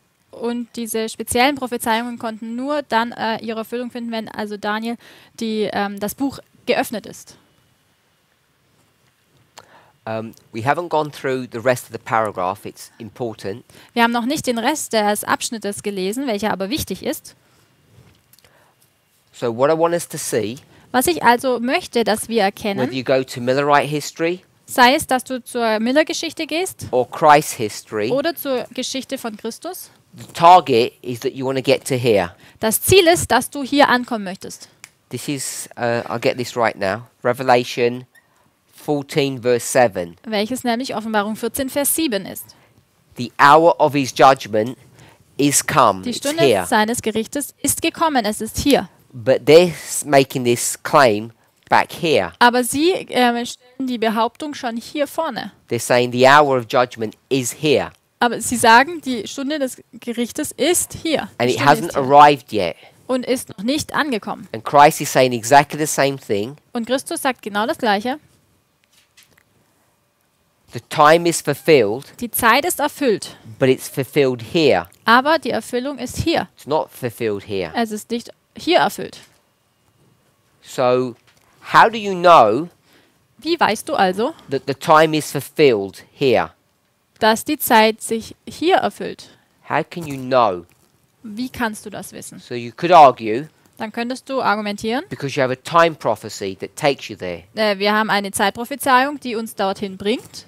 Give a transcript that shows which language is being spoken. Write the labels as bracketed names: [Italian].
[German] Und diese speziellen Prophezeiungen konnten nur dann ihre Erfüllung finden, wenn also Daniel die, das Buch geöffnet ist. [English] We haven't gone through the rest of the paragraph. It's important. [German] Wir haben noch nicht den Rest des Abschnittes gelesen, welcher aber wichtig ist. [English] So what I want us to see, [German] was ich also möchte, dass wir erkennen, [English] whether you go to Millerite history, [German] sei es, dass du zur Miller-Geschichte gehst [English] or Christ history, [German] oder zur Geschichte von Christus, [English] the target is that you want to get to here. [German] Das Ziel ist, dass du hier ankommen möchtest. [English] This is, I'll get this right now. Revelation 14, verse 7. [German] Welches nämlich Offenbarung 14, Vers 7 ist. [English] The hour of his judgment is come. [German] Die Stunde seines Gerichtes ist gekommen. Es ist hier. [English] But they're making this claim back here. [German] Aber sie stellen die Behauptung schon hier vorne. [English] They're saying the hour of judgment is here. [German] Aber sie sagen, die Stunde des Gerichtes ist hier. [English] And it hasn't arrived yet. [German] Und ist noch nicht angekommen. [English] And Christ is saying exactly the same thing. [German] Und Christus sagt genau das Gleiche. [English] The time is fulfilled. [German] Die Zeit ist erfüllt. [English] But it's fulfilled here. [German] Aber die Erfüllung ist hier. [English] It's not fulfilled here. [German] Es ist nicht hier erfüllt. [English] So, how do you know? [German] Wie weißt du also? [English] That the time is fulfilled here. [German] Dass die Zeit sich hier erfüllt. [English] How can you know? [German] Wie kannst du das wissen? [English] So you could argue. [German] Dann könntest du argumentieren. [English] Because you have a time prophecy that takes you there. [German] Wir haben eine Zeitprophezeiung, die uns dorthin bringt.